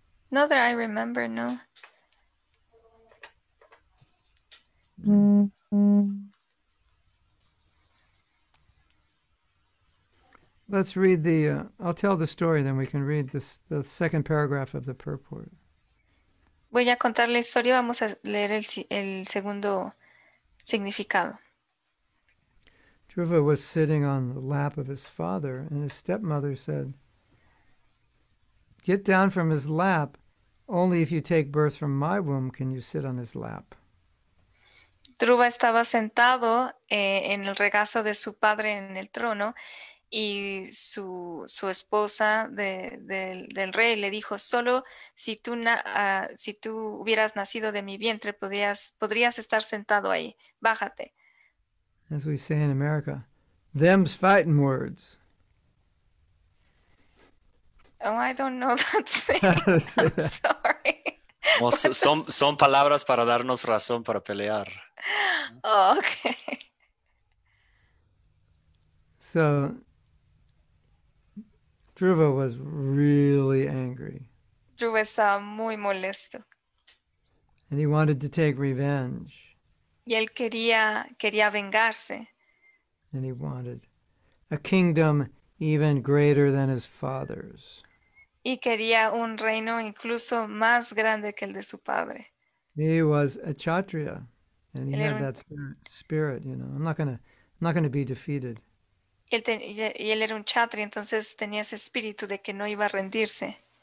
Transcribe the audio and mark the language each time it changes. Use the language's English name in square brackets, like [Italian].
[English] Not that I remember, no. Let's read the, I'll tell the story, then we can read this, the second paragraph of the purport. [Spanish] Voy a contar la historia, vamos a leer el segundo significado. [English] Dhruva was sitting on the lap of his father, and his stepmother said, "Get down from his lap. Only if you take birth from my womb can you sit on his lap." [Spanish] Dhruva estaba sentado en el regazo de su padre en el trono, y su esposa del rey le dijo, solo si tú, si tú hubieras nacido de mi vientre, podrías estar sentado ahí. Bájate. [English] As we say in America, them's fighting words. Oh, I don't know that saying. I'm sorry. [Spanish] Well, son palabras para darnos razón para pelear. [English] Oh, okay. So, Dhruva was really angry. [Spanish] Dhruva estaba muy molesto. [English] And he wanted to take revenge. [Spanish] Y él quería vengarse. [English] And he wanted a kingdom even greater than his father's. [Spanish] Y quería un reino incluso más grande que el de su padre. [English] He was a Kshatriya, and he had that spirit, you know. I'm not gonna be defeated. [Spanish] Y él era un chatri, entonces tenía ese espíritu de que no iba a rendirse.